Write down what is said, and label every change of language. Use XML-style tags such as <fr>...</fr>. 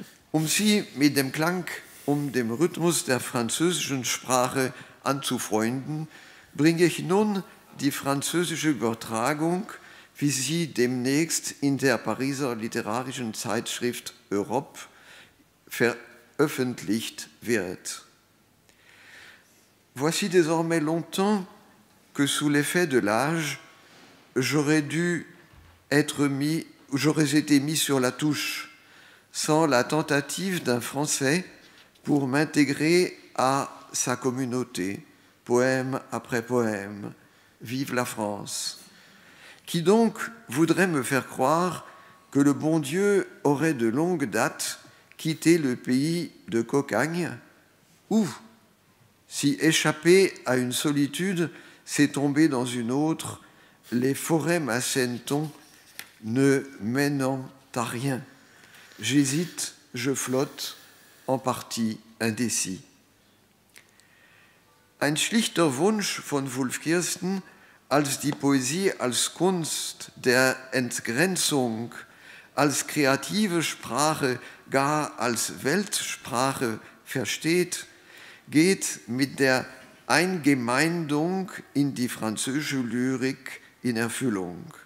<de>Um Sie mit dem Klang, um dem Rhythmus der französischen Sprache anzufreunden, bringe ich nun die französische Übertragung, wie sie demnächst in der Pariser literarischen Zeitschrift Europe veröffentlicht wird.</de> <fr>Voici désormais longtemps que sous l'effet de l'âge, j'aurais dû être mis, j'aurais été mis sur la touche, sans la tentative d'un Français pour m'intégrer à sa communauté, poème après poème, vive la France. Qui donc voudrait me faire croire que le bon Dieu aurait de longue date quitté le pays de Cocagne, ou, si échappé à une solitude, s'est tombé dans une autre, les forêts m'assènent-on, ne mènent à rien. J'hésite, je flotte, en partie indécis.</fr> <de>Ein schlichter Wunsch von Wulf Kirsten, als die Poesie als Kunst der Entgrenzung, als kreative Sprache, gar als Weltsprache versteht, geht mit der Eingemeindung in die französische Lyrik in Erfüllung.</de>